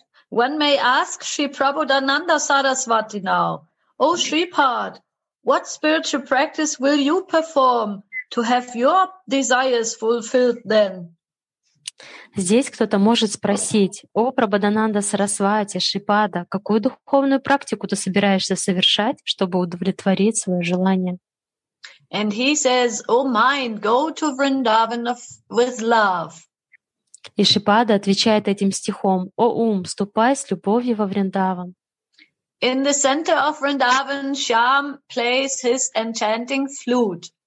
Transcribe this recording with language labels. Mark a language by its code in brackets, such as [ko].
[en] One may ask Sri Prabhudananda Sarasvati now, O Sri Pad, what spiritual practice will you perform to have your desires fulfilled then? [ru] Здесь кто-то может спросить: «О, Прабхадананда Сарасвати, Шрипада, какую духовную практику ты собираешься совершать, чтобы удовлетворить свое желание?» [en] And he says, "O mind, go to Vrindavan with love." [ru] И Шрипада отвечает этим стихом: «О ум, ступай с любовью во Вриндаван». [en] In the center of Vrindavan, Shyam plays his enchanting flute.